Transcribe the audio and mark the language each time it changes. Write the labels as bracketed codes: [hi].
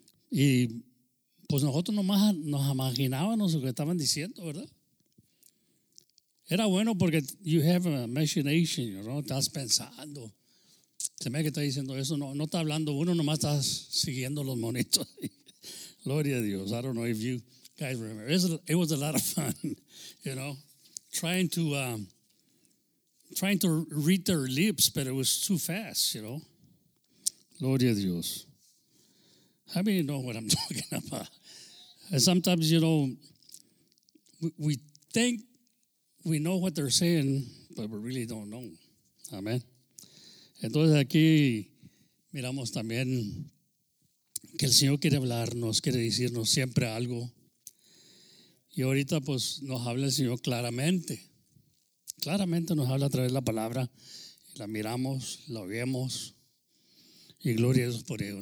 [es] Y pues nosotros nomás nos imaginábamos lo que estaban diciendo, ¿verdad? Era bueno porque [en] you have an imagination, you know, [es] estás pensando. Se me ve que está diciendo eso, no está hablando, uno nomás está siguiendo los monitos. Gloria a Dios. [en] I don't know if you guys remember. It was a lot of fun, you know, trying to read their lips, but it was too fast, you know. [es] Gloria a Dios. [en] How many know what I'm talking about? And sometimes, you know, we think we know what they're saying, but we really don't know. Amen. [es] Entonces aquí miramos también que el Señor quiere hablarnos, quiere decirnos siempre algo. Y ahorita pues nos habla el Señor claramente. Claramente nos habla a través de la palabra. La miramos, la vemos. Y gloria a Dios por ello.